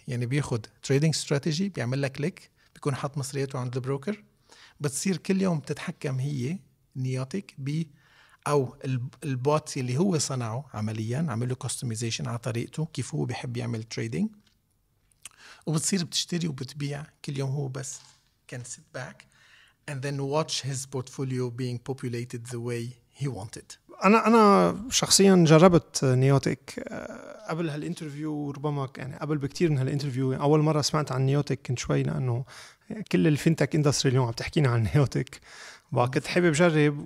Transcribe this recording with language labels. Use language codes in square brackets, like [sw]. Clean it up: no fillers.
[ar] يعني بياخد تريدينج استراتيجي بيعمل لك كليك بيكون حط مصرياته عند البروكر، بتصير كل يوم بتتحكم هي نيوتيك ب او البوت اللي هو صنعه عمليا عمل له كوستمايزيشن على طريقته كيف هو بيحب يعمل تريدينج، وبتصير بتشتري وبتبيع كل يوم. هو بس كان سيت باك [en] and then watch his portfolio being populated the way he wanted. [ar] انا شخصيا جربت نيوتيك قبل هالانترفيو، وربما يعني قبل بكتير من هالانترفيو. اول مره سمعت عن نيوتيك كنت شوي لانه كل الفينتك اندستري اليوم عم تحكينا عن نيوتيك، وكنت حابب اجرب.